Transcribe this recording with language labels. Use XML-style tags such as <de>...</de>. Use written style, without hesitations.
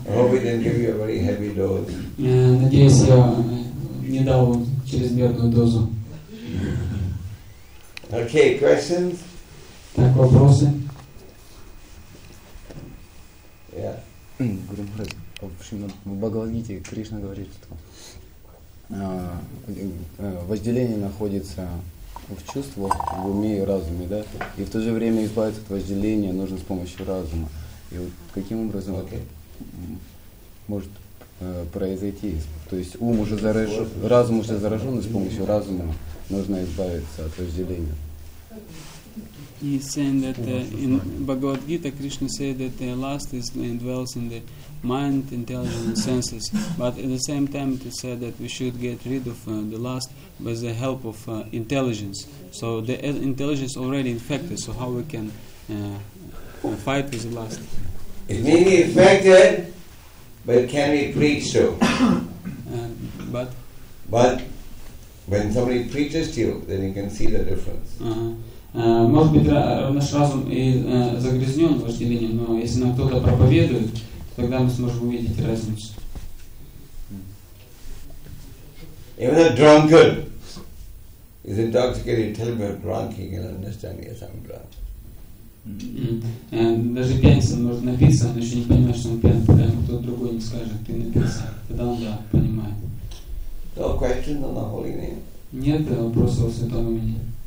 <en>I hope we didn't give you a very heavy dose.</en> <ru>Надеюсь, я не дал чрезмерную дозу.</ru> <en>Okay, questions?</en> <ru>Так, вопросы? Гуру Махарад, в общем, в Бхагавад-гите Кришна говорит, что вожделение находится в чувствах, в уме и разуме, да? И в то же время избавиться от вожделения нужно с помощью разума. И вот каким образом это может произойти? То есть ум уже заражен, разум уже заражен, и с помощью разума нужно избавиться от вожделения.</ru> <en>He's saying that in Bhagavad Gita, Krishna said that the lust is dwells in the mind, intelligence, and senses. But at the same time, it is said that we should get rid of the lust with the help of intelligence. So the intelligence already infected. So how we can fight with the lust? It may be infected, but it can be preached to. But when somebody preaches to you, then you can see the difference.</en> <ru>Может быть, наш разум и загрязнен вожделением, но если нам кто-то проповедует, тогда мы сможем увидеть разницу.</ru> <en>Even a drunkard is intoxicated, tell him I'm drunk, he can understand, yes, I'm drunk.</en> <ru>Даже пьяница может напиться, он еще не понимает, что он пьяный, тогда ему кто-то другой не скажет, ты напился, тогда он, да, понимает.</ru> <en>No question on the holy name?</en> <ru>Нет вопроса о святом имени.</ru>